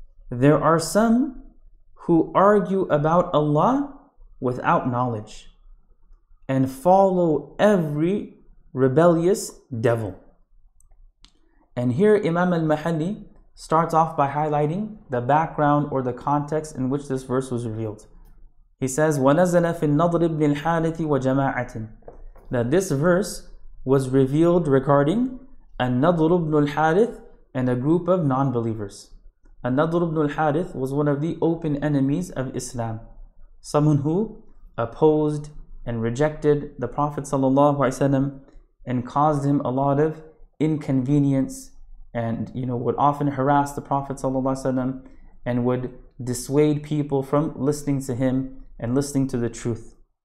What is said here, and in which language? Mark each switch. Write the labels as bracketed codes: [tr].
[en] There are some who argue about Allah without knowledge and follow every rebellious devil. And here Imam al-Mahalli starts off by highlighting the background or the context in which this verse was revealed. He says, [ar] وَنَزَلَ فِي النَّضْرِ بْنِ الْحَارِثِ وَجَمَاعَةٍ. [en] That this verse was revealed regarding النَّضْرُ بْنُ الْحَارِثِ and a group of non-believers. النَّضْرُ بْنُ الْحَارِثِ was one of the open enemies of Islam. Someone who opposed and rejected the Prophet ﷺ and caused him a lot of inconvenience, and you know, would often harass the Prophet ﷺ and would dissuade people from listening to him and listening to the truth.